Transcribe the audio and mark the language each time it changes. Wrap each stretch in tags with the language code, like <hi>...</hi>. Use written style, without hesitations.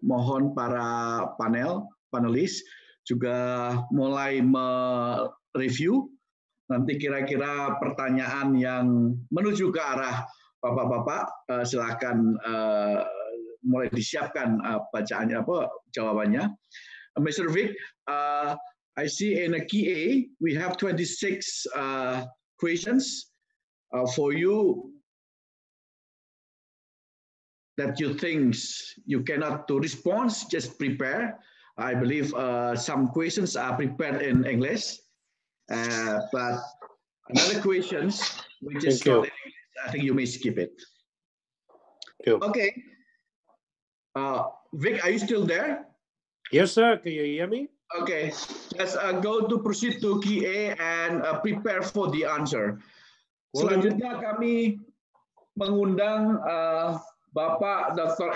<id>Mohon para panelis juga mulai mereview nanti kira-kira pertanyaan yang menuju ke arah Bapak-bapak, silakan mulai disiapkan bacaannya apa jawabannya.</id> <en>Mr. Vic, I see in a QA we have 26 questions for you that you think you cannot to respond, just prepare. I believe some questions are prepared in English, but another questions which is not in English, I think you may skip it. Okay. Vic, are you still there? Yes, sir. Can you hear me? Okay. Let's go to proceed to QA and prepare for the answer.</en> <id>Selanjutnya kami mengundang Bapak Dr.</id>